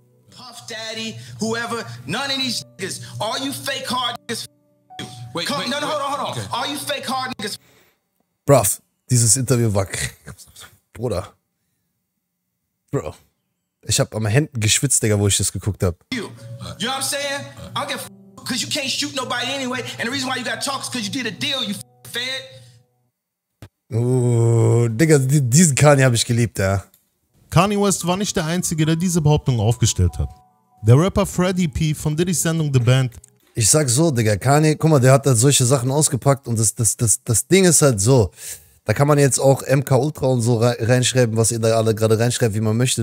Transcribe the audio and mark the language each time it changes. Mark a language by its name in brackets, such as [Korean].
[English] Puff Daddy, whoever, none of these niggas, all you fake hard niggas, Wait, hold on. All you fake hard niggas. [German] Bruv, dieses Interview war, Bruder. Bro. Ich hab am Händen geschwitzt, Digga, wo ich das geguckt hab. [English] You know what I'm saying? I don't give a fuck, cause you can't shoot nobody anyway. And the reason why you got talks, cause you did a deal, you fed. [German] Digga, diesen Kanye hab ich geliebt, ja. Kanye West war nicht der Einzige, der diese Behauptung aufgestellt hat. Der Rapper Freddie P. von Diddy's Sendung The Band. Ich sag so, Digga, Kanye, guck mal, der hat da solche Sachen ausgepackt und das Ding ist halt so. Da kann man jetzt auch MK Ultra und so reinschreiben, was ihr da alle gerade reinschreibt, wie man möchte.